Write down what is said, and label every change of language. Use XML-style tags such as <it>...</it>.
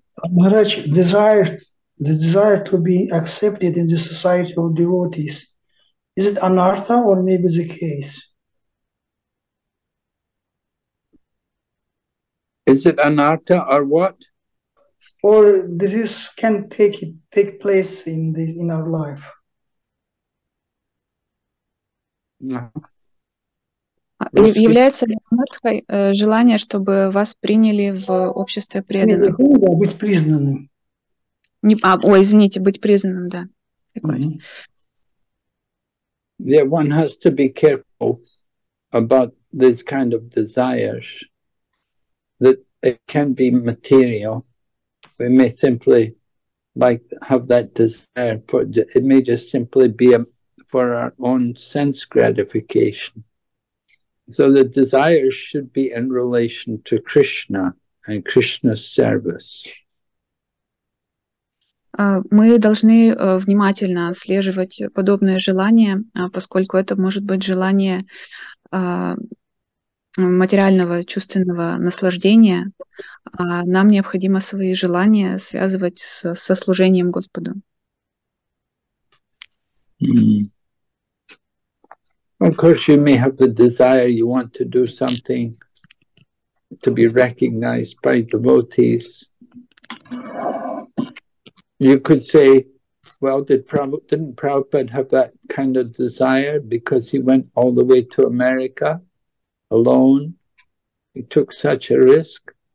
<en>Maharaj, the desire to be accepted in the society of devotees, is it anartha or maybe the case? Is it anartha or what? Or this is, can take place in the in our life?</en> <ru>Является ли анартхой желание, чтобы вас приняли в обществе преданных? Быть признанным. Не, а, ой, извините, быть признанным, да.</ru> <en>Yeah, one has to be careful about this kind of desires. That it can be material. We may simply like have that desire for it may just simply be for our own sense gratification. So the desires should be in relation to Krishna and Krishna's service.</en> <ru>Мы должны внимательно отслеживать подобное желание, поскольку это может быть желание материального чувственного наслаждения, нам необходимо свои желания связывать со служением Господу.</ru> <en>Of course, you may have the desire you want to do something to be recognized by devotees. You could say, well, didn't Prabhupada have that kind of desire because he went all the way to America? Alone, he took such a risk.</en>